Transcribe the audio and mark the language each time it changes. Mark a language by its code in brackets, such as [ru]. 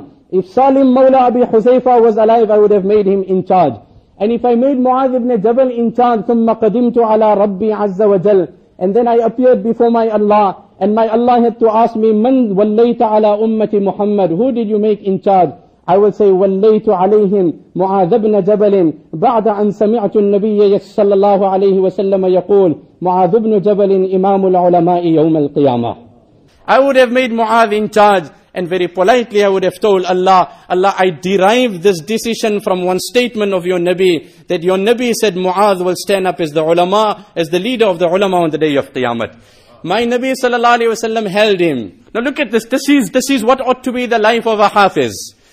[en] If Salim Mawla Abi Huzaifa was alive, I would have made him in charge. And if I made Mu'adh ibn Jabal in charge, [ar] ثُمَّ قَدِمْتُ عَلَىٰ رَبِّي عَزَّ وَجَلْ. [en] And then I appeared before my Allah, And my Allah had to ask me, [ar] من وليت على أمة محمد? [en] Who did you make in charge? I will say, [ar] وليت عليهم معاذ بن جبل بعد أن سمعت النبي صلى الله عليه وسلم يقول معاذ بن جبل إمام العلماء يوم القيامة. [en] I would have made Mu'adh in charge, and very politely I would have told Allah, Allah, I derive this decision from one statement of your Nabi, that your Nabi said Mu'adh will stand up as the ulama, as the leader of the ulama on the day of Qiyamah. My Nabi sallallahu alayhi wa sallam held him. Now look at this, this is what ought to be the life of a hafiz.